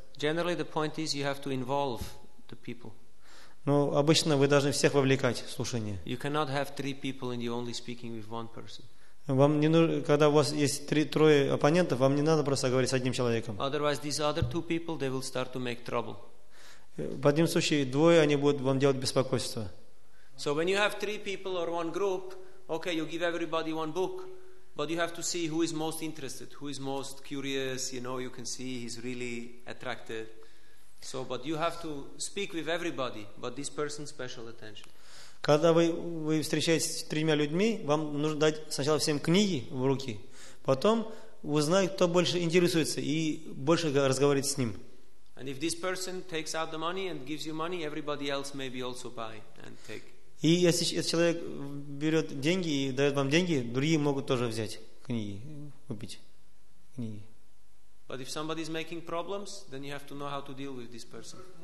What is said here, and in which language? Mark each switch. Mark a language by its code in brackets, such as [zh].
[en] Generally, the point is you have to involve the people. [ru] Но обычно вы должны всех вовлекать в слушание. [en] You cannot have three people and you're only speaking with one person. [ru] Вам не нужно, когда у вас есть трое оппонентов, вам не надо просто говорить с одним человеком. [en] Otherwise, these other two people, they will start to make trouble. [ru] В одном случае двое, они будут вам делать беспокойство. [en] So when you have three people or one group, okay, you give everybody one book, but you have to see who is most interested, who is most curious. You know, you can see he's really attracted. So, but you have to speak with everybody, but this person special attention. [ru] Когда вы встречаетесь с тремя людьми, вам нужно дать сначала всем книги в руки, потом узнать, кто больше интересуется, и больше разговаривать с ним. [en] And if this person takes out the money and gives you money, everybody else maybe also buy and take. [ru] И если этот человек берет деньги и дает вам деньги, другие могут тоже взять книги, купить книги. [en] But if somebody is making problems, then you have to know how to deal with this person.